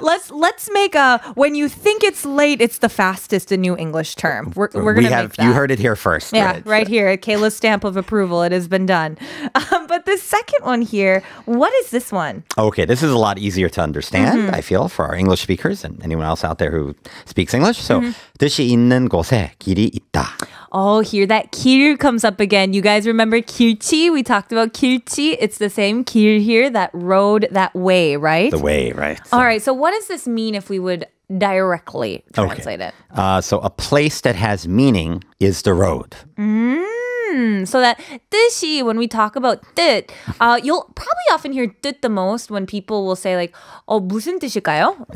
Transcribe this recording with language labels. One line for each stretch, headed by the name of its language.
English: Let's make a when you think it's late, it's the fastest a new English term. We're going to make that. You heard it here first. Yeah, right here. Kayla's stamp of approval. It has been done. But the second one here, what is this one? Okay, this is a lot easier to understand, I feel, for our English speakers and anyone else out there who speaks English.
Korean: So, 뜻이 있는 곳에 길이 있다.
English: Oh, here that 길 comes up again. You guys remember 길치? We talked about 길치. It's the same 길 here, that road, that way, right? The way, right. So. All right, so what does this mean if we would directly translate it? So a place that has meaning is the road. So that 뜻이, when we talk about 뜻, you'll probably often hear 뜻 the most when people will say like,
Korean: 어, 무슨 뜻일까요?